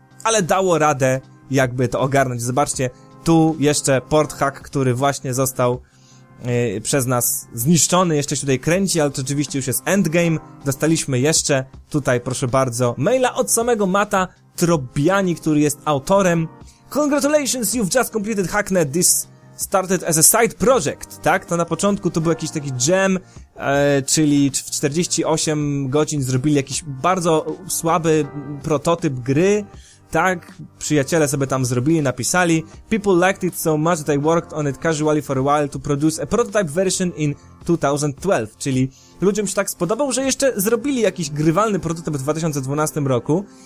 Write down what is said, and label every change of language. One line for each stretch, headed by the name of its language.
Polish: Ale dało radę jakby to ogarnąć. Zobaczcie, tu jeszcze port hack, który właśnie został przez nas zniszczony, jeszcze się tutaj kręci, ale to oczywiście już jest endgame. Dostaliśmy jeszcze tutaj, proszę bardzo, maila od samego Mata Trobiani, który jest autorem.
English: Congratulations, you've just completed Hacknet, this started as a side project, tak?
Polish: To na początku to był jakiś taki jam, czyli w 48 godzin zrobili jakiś bardzo słaby prototyp gry. Tak, przyjaciele sobie tam zrobili, napisali.
English: People liked it so much that I worked on it casually for a while to produce a prototype version in 2012.
Polish: Czyli ludziom się tak spodobał, że jeszcze zrobili jakiś grywalny prototyp w 2012 roku.